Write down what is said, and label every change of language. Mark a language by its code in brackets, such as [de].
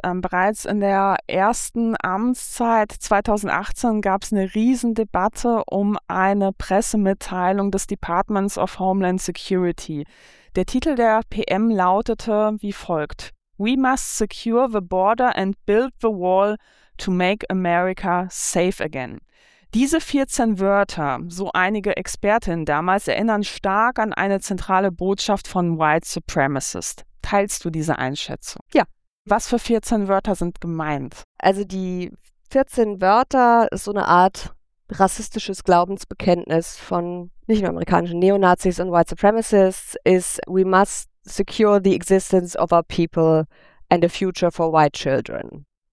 [de] Bereits in der ersten Amtszeit 2018 gab es eine Riesendebatte um eine Pressemitteilung des Departments of Homeland Security. Der Titel der PM lautete wie folgt: [en] We must secure the border and build the wall to make America safe again. [de] Diese 14 Wörter, so einige Expertinnen damals, erinnern stark an eine zentrale Botschaft von White Supremacists. Teilst du diese Einschätzung? Ja. Was für 14 Wörter sind gemeint? Also die 14 Wörter ist so eine Art rassistisches Glaubensbekenntnis von nicht nur amerikanischen Neonazis und White Supremacists, ist [en] we must secure the existence of our people and a future for white children.